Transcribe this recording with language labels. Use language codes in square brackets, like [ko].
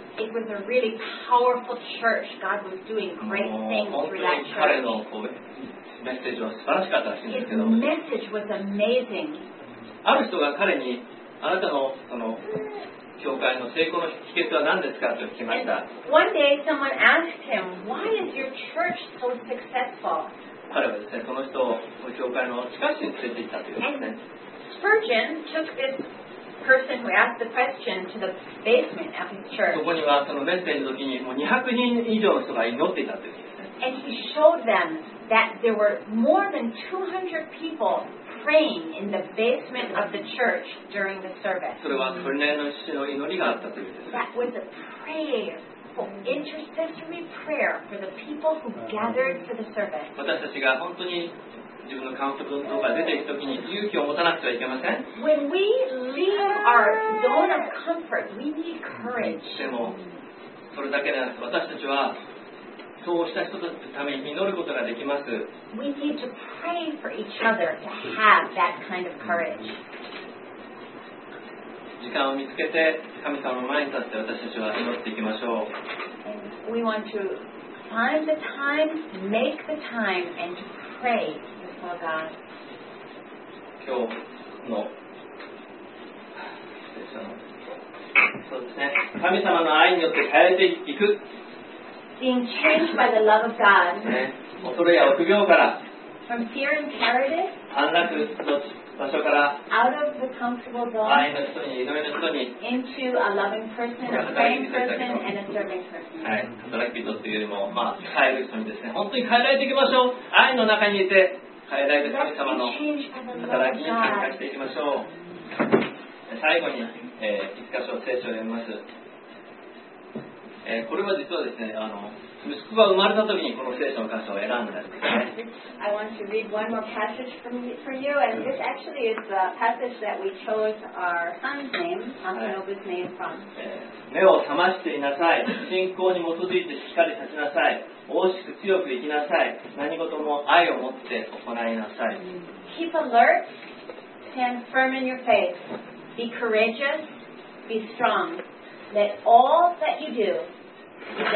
[en] It was a really powerful church. God was doing great things for that church. [ja] 彼のこうメッセージは素晴らしかったらしいんですけど、 [en] His message was amazing. [ja] ある人が彼に、あなたのその教会の成功の秘訣は何ですかと聞きました。 [en] And one day someone asked him, why is your church so successful? [ja] 彼はですね、その人を教会の地下室に連れて行ったということですね。 [en] Spurgeon took this person who asked the question to the basement of his church. [ja] そこにはそのメッセージの時にもう200人以上の人が祈っていたということですね。 [en] And he showed them that there were more than 200 people praying in the basement of the church during the service. [ja] それはそれなりの人の祈りがあったということです。 [en] That was a prayer. Intercessory prayer for the people who gathered for the service. [ja] 私たちが本当に自分のカウントとか出ていくときに勇気を持たなくてはいけません。 [en] When we leave our zone of comfort, we need courage. [ja] でもそれだけでなく、私たちはそうした人たちのために祈ることができます。 [en] We need to pray for each other to have that kind of courage. [ja] 時間を見つけて神様の前に立って私たちは祈っていきましょう。 [en] We want to find the time, make the time, and to pray before God. [ja] 今日のそうですね。神様の愛によって変えていく。 [en] Being changed by the love of God. [ja] ね、恐れや臆病から。 [en] From fear and cowardice. [ja] 安楽の場所から。 [en] Out of the comfortable zone. [ja] 愛の人に、祈りの人に。 [en] Into a loving person, a praying person, and a serving person. [ja] はい、働き人というよりも、まあ、変える人にですね、本当に変えられていきましょう。愛の中にいて、変えられて神様の働きに参加していきましょう。最後に、一箇所聖書を読みます、これは実はですね、息子が生まれた時にこの聖書の箇所を選んだんですね。 [en] I want to read one more passage for you, and this actually is the passage that we chose our son's name, Hanobu's name from. [ja] 目を覚ましていなさい。信仰に基づいてしっかり立ちなさい。大きく強く生きなさい。何事も愛を持って行いなさい。 [en] Keep alert, stand firm in your faith. Be courageous, be strong. Let all that you do be done.